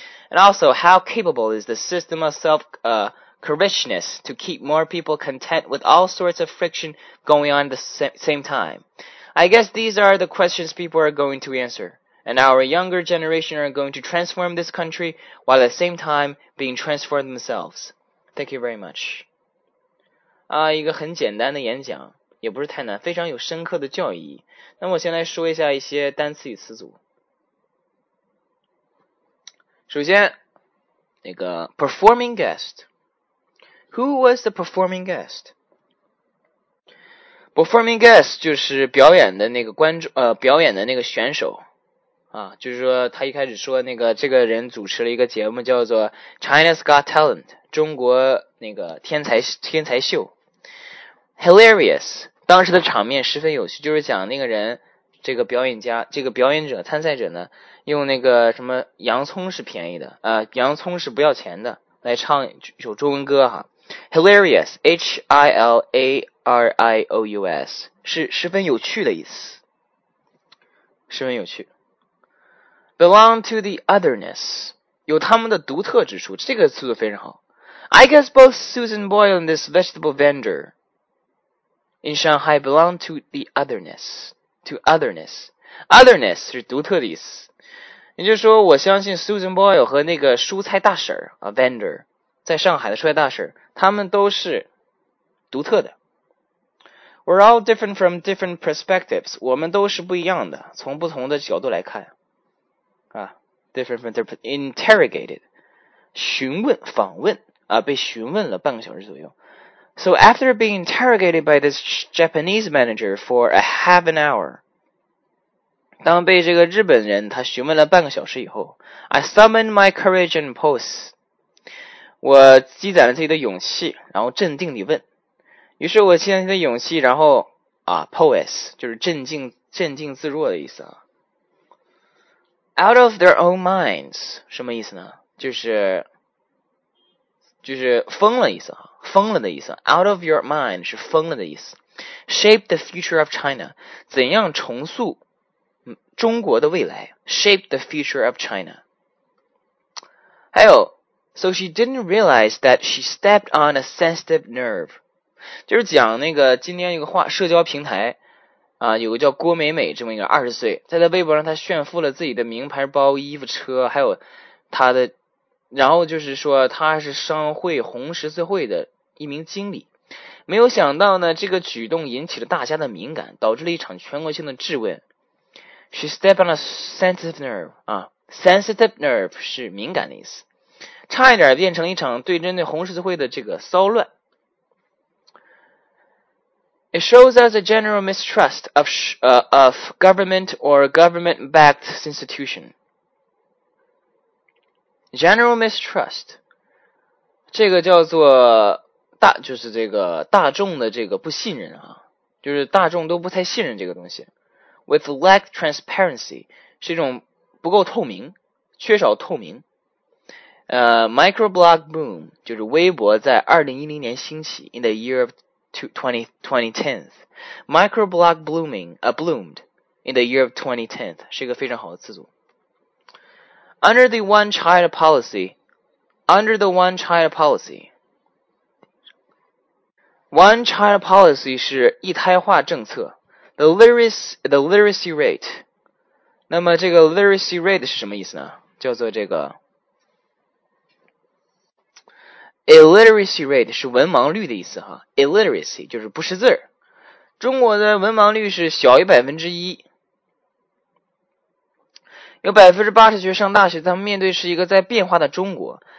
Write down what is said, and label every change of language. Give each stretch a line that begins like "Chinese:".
English: And also, how capable is the system of self-correctiveness to keep more people content with all sorts of friction going on at the same time? I guess these are the questions people are going to answer. And our younger generation are going to transform this country while at the same time being transformed themselves. Thank you very much.
Chinese: 一个很简单的演讲，也不是太难，非常有深刻的教育意义。那我先来说一下一些单词与词组。首先，那个
English: performing guest。 Who was the performing guest?
Chinese: Performing guest 就是表演的那个观众，表演的那个选手，啊，就是说他一开始说那个这个人主持了一个节目叫做 China's Got Talent， 中国那个天才秀 ，hilarious， 当时的场面十分有趣，就是讲那个人这个表演家这个表演者参赛者呢，用那个什么洋葱是便宜的，洋葱是不要钱的，来唱一首中文歌哈。
English: Hilarious, H-I-L-A-R-I-O-U-S,
Chinese: 是十分有趣的意思。十分有趣。
English: Belong to the otherness,
Chinese: 有他们的独特之处，这个词非常好。
English: I guess both Susan Boyle and this vegetable vendor in Shanghai belong to the otherness, to otherness.
Chinese: Otherness 是独特的意思。也就是说，我相信 Susan Boyle 和那个蔬菜大婶 a vendor,在上海的蔬菜大婶，他们都是独特的。
English: We're all different from different perspectives.
Chinese: 我们都是不一样的，从不同的角度来看。
English: 啊 ，different from different.
Chinese: Interrogated, 询问、访问啊，被询问了半个小时左右。
English: So after being interrogated by this Japanese manager for a half an hour,
Chinese: 当被这个日本人他询问了半个小时以后
English: ，I summoned my courage and pose.
Chinese: 我积攒了自己的勇气，然后镇定地问。于是我积攒自己的勇气，然后啊 ，poise 就是镇静自若的意思啊。
English: Out of their own minds
Chinese: 什么意思呢？就是疯了意思啊，疯了的意思。
English: Out of your mind
Chinese: 是疯了的意思。
English: Shape the future of China，
Chinese: 怎样重塑中国的未来
English: ？Shape the future of China。
Chinese: 还有。
English: So she didn't realize that she stepped on a sensitive nerve.
Chinese: 就是讲那个今天一个社交平台啊，有个叫郭美美这么一个二十岁，在微博上她炫富了自己的名牌包、衣服、车，还有她的，然后就是说她是商会红十字会的一名经理。没有想到呢，这个举动引起了大家的敏感，导致了一场全国性的质问。
English: She stepped on a sensitive nerve.
Chinese: 啊 ，sensitive nerve 是敏感的意思。差一点变成一场对针对红十字会的这个骚乱。
English: It shows us a general mistrust of government or government-backed institution. General mistrust,
Chinese: 这个叫做大就是这个大众的这个不信任啊，就是大众都不太信任这个东西。
English: With lack transparency
Chinese: 是一种不够透明，缺少透明。
English: Microblog boom
Chinese: 就是微博在2010年兴起
English: ，in the year of 2010. Microblog blooming bloomed in the year of 2010
Chinese: 是一个非常好的词组。
English: Under the one child policy, under the one child policy, one child policy
Chinese: 是一胎化政策。
English: The literacy rate,
Chinese: 那么这个 literacy rate 是什么意思呢？叫做这个 illiteracy rate 是文盲率的意思哈。 Illiteracy 就是不识字，中国的文盲率是小于1%。有80%学生大学，他们面对是一个在变化的中国。